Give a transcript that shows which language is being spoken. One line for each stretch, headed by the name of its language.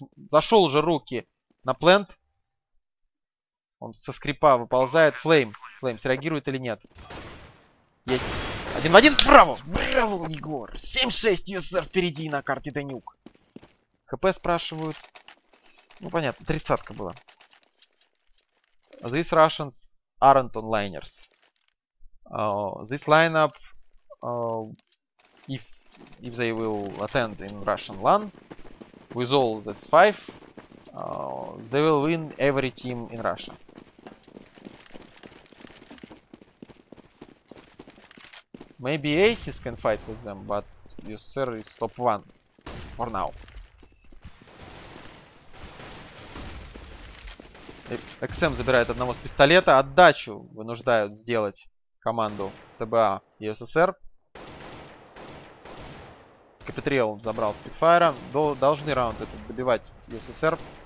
Russian: Зашел уже руки на плент. Он со скрипа выползает. Флейм среагирует или нет? Есть. 1 в 1, браво! Браво, Егор! 7-6, USSR впереди на карте Данюк. ХП спрашивают. Ну понятно, тридцатка была.
English: These Russians aren't onliners. This lineup, if they will attend in Russian LAN, with all these five, they will win every team in Russia. Maybe Aces can fight with them, but USSR is top one for now.
Russian: XM забирает одного с пистолета. Отдачу вынуждают сделать команду ТБА и СССР. Капитриал забрал спидфайра. Должны раунд этот добивать СССР.